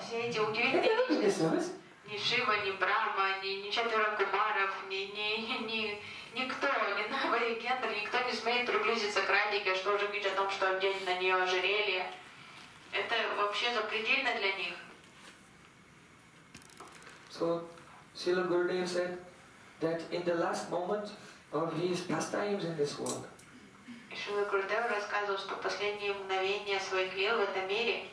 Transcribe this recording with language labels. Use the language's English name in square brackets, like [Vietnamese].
[Russian] Все эти удивительные люди. Ни Шива, ни Брама, ни четверо кумаров, никто, ни новый гендер, никто не смеет приблизиться к Радике, что уже говорит о том, что одели на нее ожерелье. Это вообще запредельно для них. [English] So Srila Gurudev said that in the last moment of his pastimes in this world. [Russian] Шрила Гурудева рассказывал, что последние мгновения своих лил в этом мире.